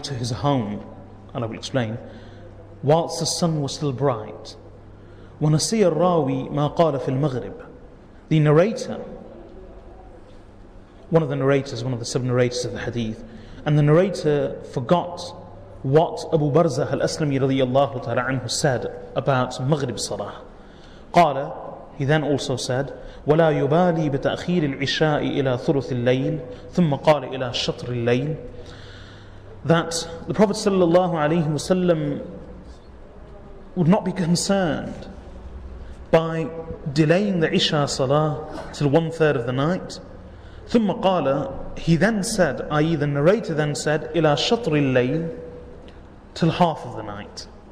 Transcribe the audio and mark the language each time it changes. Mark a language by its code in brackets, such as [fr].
[en] to his home, and I will explain, whilst the sun was still bright. [ar] ونسي الراوي ما قال في المغرب. [en] The narrator, one of the narrators, one of the sub-narrators of the hadith, and the narrator forgot what Abu Barza al-Aslami radiyallahu ta'ala anhu said about Maghrib Salah. [ar] Qala, [en] he then also said, [ar] وَلَا يُبَالِي بِتَأْخِيرِ الْعِشَاءِ إِلَى ثُلُثِ اللَّيْلِ ثُمَّ قَالَ إِلَى شَطْرِ اللَّيْلِ. [en] That the Prophet sallallahu alayhi wa sallam would not be concerned by delaying the Isha Salah till 1/3 of the night. [ar] ثم قال, [en] he then said, i.e. the narrator then said, [ar] إلى شطر الليل, [en] till half of the night.